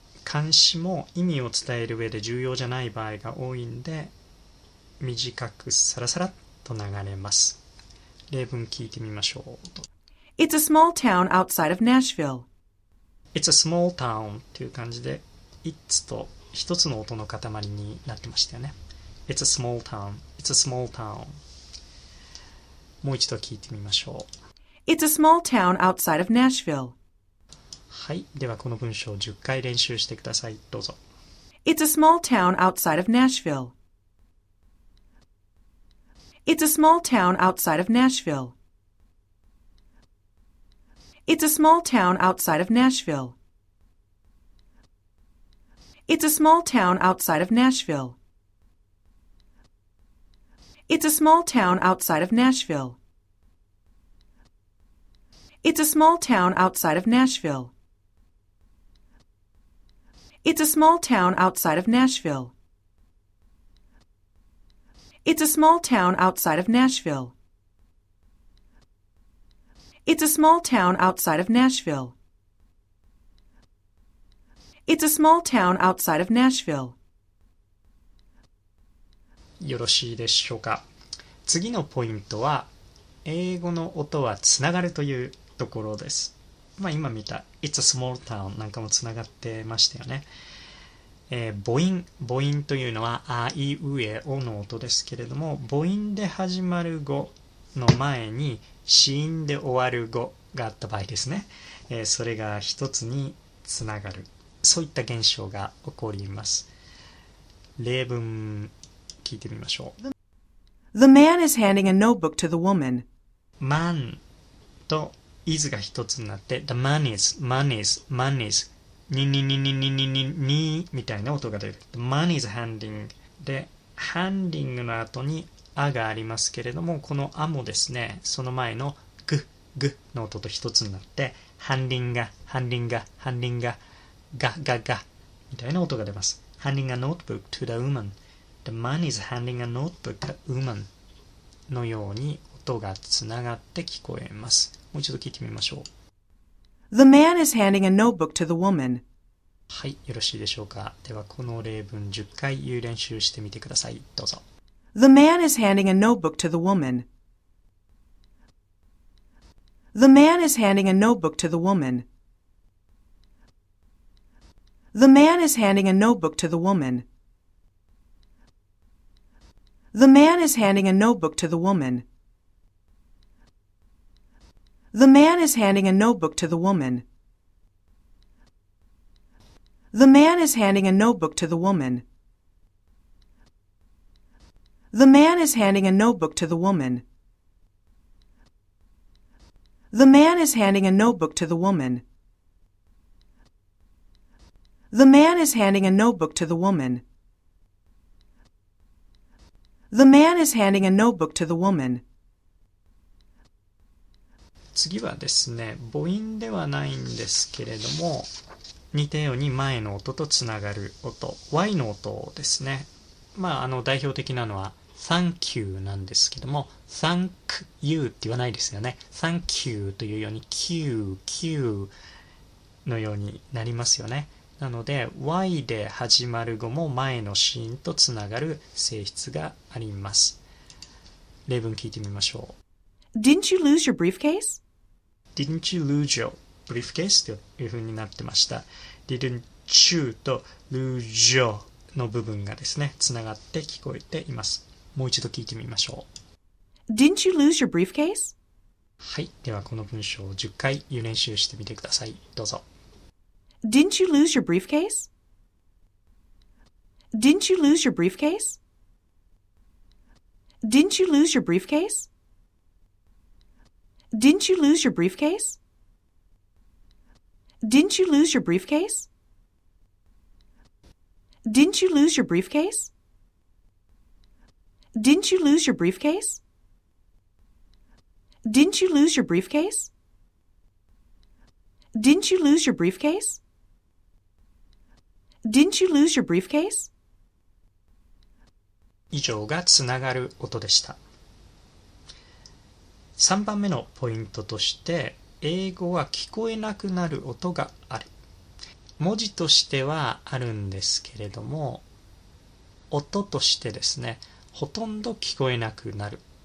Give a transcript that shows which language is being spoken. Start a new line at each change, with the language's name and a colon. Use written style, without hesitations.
Japanese: 監視も意味を伝える上で重要じゃない場合が多いんで短くサラサラッと流れます。例文聞いてみましょう。
English: It's a small town outside of Nashville. It's a small town
Japanese: という感じで It's と一つの音の塊になってましたよね。
English: It's a small town. It's a small town.
Japanese: もう一度聞いてみましょう。
English: It's a small town outside of Nashville.
Japanese: はい、ではこの文章を10回練習してください。どうぞ。
English: It's a small town outside of Nashville. It's a small town outside of Nashville. It's a small town outside of Nashville. It's a small town outside of Nashville. It's a small town outside of Nashville. It's a small town outside of Nashville. It's a small town outside of Nashville. It's a small town outside of Nashville. It's a small town outside of Nashville. It's a small town outside of Nashville.
Japanese: よろしいでしょうか。次のポイントは、英語の音はつながるというところです。まあ、今見た
English: It's a small town
Japanese: なんかもつながってましたよね、母音というのはあいうえおの音ですけれども母音で始まる語の前に子音で終わる語があった場合ですね、それが一つにつながるそういった現象が起こります。例文聞いてみましょう。
English: The man is handing a notebook to the woman.
Japanese: Man とis が一つになって
English: the man is man is
Japanese: man is にみたいな音が出る。
English: the man is handing
Japanese: で handing の後にあがありますけれどもこのあもですねその前のぐぐの音と一つになって handing が handing が handing がガガガみたいな音が出ます。
English: Handing a notebook to the woman. The man is handing a notebook to the woman.
Japanese: のように音がつながって聞こえます。もう一度聞いてみましょう。
English: The man is handing a notebook to the woman.
Japanese: はい、よろしいでしょうか。ではこの例文10回言う練習してみてください。どうぞ。
English: The man is handing a notebook to the womanThe man is handing a notebook to the woman. The man is handing a notebook to the woman. The man is handing a notebook to the woman. The man is handing a notebook to the woman. The man is handing a notebook to the woman. The man is handing a notebook to the woman. The man is handing a notebook to the woman. The man is handing a notebook to the woman. The man is handing a notebook to the woman.
Japanese: 次はですね、母音ではないんですけれども、似たように前の音とつながる音、 Y の音ですね。まあ、代表的なのは
English: Thank you
Japanese: なんですけども、 Thank you って言わないですよね。 Thank you というように、 QQ のようになりますよね。なので Y で始まる語も前のシーンとつながる性質があります。例文聞いてみましょう。
English: Didn't you lose your briefcase? Didn't you lose your briefcase?
Japanese: というふうになってました。
English: Didn't you
Japanese: と
English: lose your
Japanese: の部分がですね、つながって聞こえています。もう一度聞いてみましょう。
English: Didn't you lose your briefcase?
Japanese: はい、ではこの文章を10回言う練習してみてください。どうぞ。
English: Didn't you lose your briefcase? Didn't you lose your briefcase? Didn't you lose your briefcase? Didn't you lose your briefcase? Didn't you lose your briefcase? Didn't you lose your briefcase? Didn't you lose your briefcase? Didn't you lose your briefcase? Didn't you lose your briefcase? Didn't you lose your briefcase?
Japanese: 以上がつながる音でした。 3番目のポイントとして、英語は聞こえなくなる音がある。文字としてはあるんですけれども、音としてですね、ほとんど聞こえなくなる。